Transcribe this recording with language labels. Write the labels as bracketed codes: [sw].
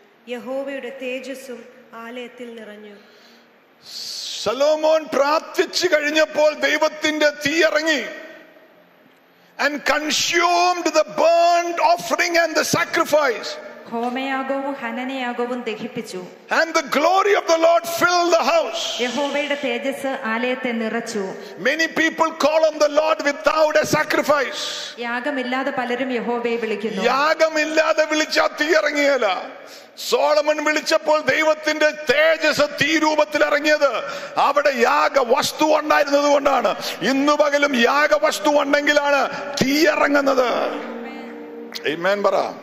[ml] യഹോവയുടെ തേജസ്സും ആലയത്തിൽ നിറഞ്ഞു. ശലോമോൻ പ്രാർത്ഥിച്ചു കഴിഞ്ഞപ്പോൾ ദൈവത്തിന്റെ തീ ഇറങ്ങി [en] and consumed the burnt offering and the sacrifice. [ml] ഹോമയാഗവും ഹനനയാഗവും ദഹിപ്പിച്ചു. [en] And the glory of the Lord filled the house. [ml] യഹോവയുടെ തേജസ് ആലയത്തെ നിറച്ചു. [en] Many people call on the Lord without a sacrifice. [ml] യാഗമില്ലാതെ പലരും യഹോവയെ വിളിക്കുന്നു. യാഗമില്ലാതെ വിളിച്ചാൽ തീയറങ്ങിയല്ല. സോളമൻ വിളിച്ചപ്പോൾ ദൈവത്തിന്റെ തേജസ് തീ രൂപത്തിൽ ഇറങ്ങിയത് അവിടെ യാഗ വസ്തു ഉണ്ടായിരുന്നത് കൊണ്ടാണ്. ഇന്നു പകലും യാഗ വസ്തു ഉണ്ടെങ്കിലാണ് തീ ഇറങ്ങുന്നത്. ആമേൻ പറ.